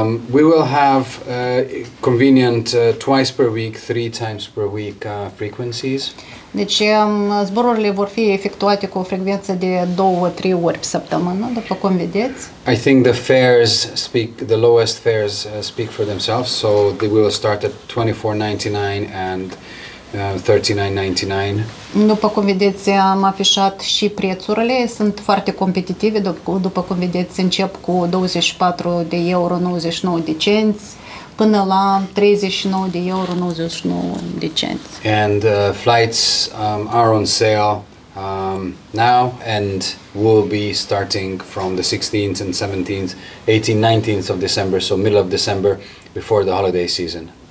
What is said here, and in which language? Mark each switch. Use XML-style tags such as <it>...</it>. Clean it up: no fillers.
<en>We will have convenient twice per week, three times per week frequencies.</en> <ro>Deci zborurile vor fi efectuate cu o frecvență de 2-3 ori pe săptămână, după cum vedeți.</ro> <en>I think the lowest fares speak for themselves, so they will start at $24.99 and $39.99.</en> <ro>După cum vedeți, am afișat și prețurile, sunt foarte competitive, după cum vedeți, încep cu 24 de euro 99 de cenți. Până la 39 de euro 99 de cenți.</ro> <en>And flights are on sale now and will be starting from the 16th and 17th, 18th, 19th of December, so middle of December, before the holiday season.</en>